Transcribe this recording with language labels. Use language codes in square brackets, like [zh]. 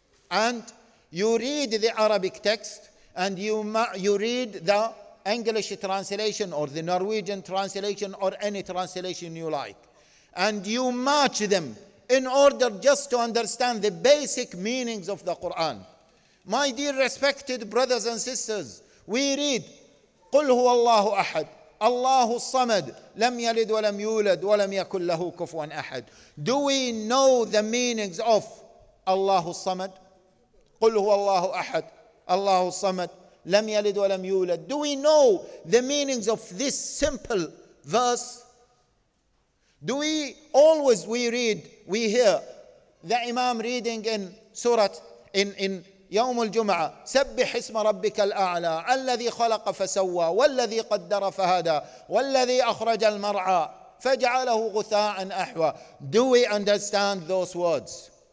[en] And you read the Arabic text, and you read the English translation or the Norwegian translation or any translation you like. And you match them in order just to understand the basic meanings of the Quran. My dear respected brothers and sisters, we read, [ar] قُلْ هُوَ اللَّهُ أَحَدٌ اللَّهُ الصَّمَدُ لَمْ يَلِدْ وَلَمْ يُولَدْ وَلَمْ يَكُنْ لَهُ كُفُوًا أَحَدٌ [en] Do we know the meanings of اللَّهُ الصَّمَدُ قُلْ هُوَ اللَّهُ أَحَدٌ اللَّهُ الصَّمَدُ لَمْ يَلِدْ وَلَمْ يُولَدْ Do we know the meanings of this simple verse? Do we always, we read, we hear the Imam reading in Surah, in [ar] يوم الجمعة سبح اسم ربك الأعلى الذي خلق فسوى والذي قدر فهدى والذي أخرج المرعى فجعله غثاء أحوى [en] Do we understand those words?